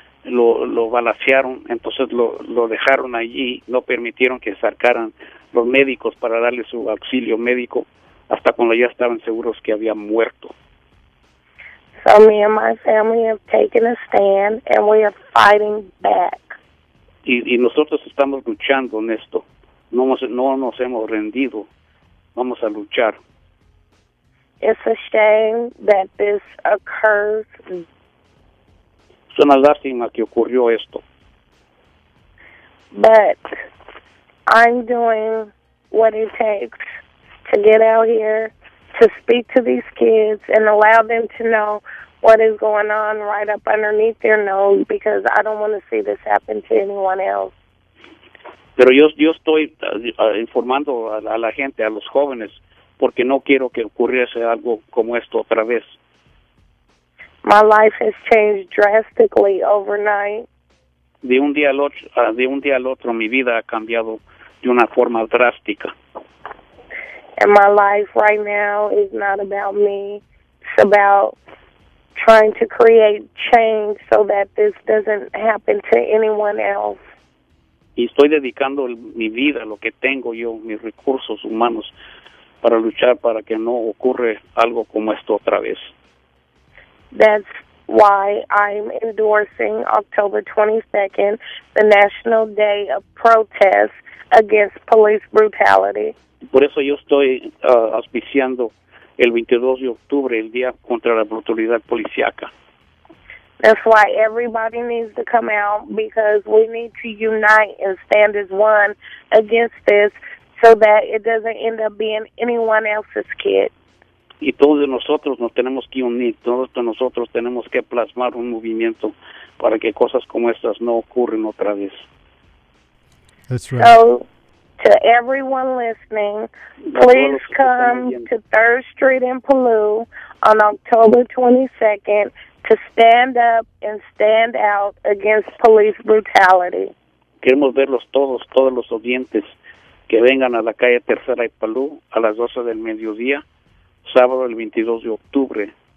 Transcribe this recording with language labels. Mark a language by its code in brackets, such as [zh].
[es] Lo balacearon, entonces lo dejaron allí, no permitieron que sacaran los médicos para darle su auxilio médico hasta cuando ya estaban seguros que había muerto. [en] So me and my family have taken a stand and we are fighting back. [es] Y nosotros estamos luchando en esto. No nos hemos rendido. Vamos a luchar. [en] It's a shame that this occurs. [es] Es una lástima que ocurrió esto. [en] But I'm doing what it takes to get out here, to speak to these kids and allow them to know what is going on right up underneath their nose because I don't want to see this happen to anyone else. [es] Pero yo estoy informando a la gente, a los jóvenes, porque no quiero que ocurriese algo como esto otra vez. [en] My life has changed drastically overnight. [es] De un día al otro, mi vida ha cambiado de una forma drástica. [en] And my life right now is not about me. It's about trying to create change so that this doesn't happen to anyone else. [es] Y estoy dedicando mi vida, lo que tengo yo, mis recursos humanos, para luchar para que no ocurra algo como esto otra vez. [en] That's why I'm endorsing October 22nd, the National Day of Protest Against Police Brutality. [es] Por eso yo estoy auspiciando el 22 de octubre, el Día contra la Brutalidad Policiaca. [en] That's why everybody needs to come out, because we need to unite and stand as one against this so that it doesn't end up being anyone else's kid. [es] Y todos nosotros nos tenemos que unir, todos nosotros tenemos que plasmar un movimiento para que cosas como estas no ocurran otra vez. [en] That's right. So, to everyone listening, please come to 3rd Street in Paloo on October 22nd to stand up and stand out against police brutality. [es] Queremos verlos todos los oyentes, que vengan a la calle Tercera y Palú a las 12 del mediodía, sábado el 22 de octubre.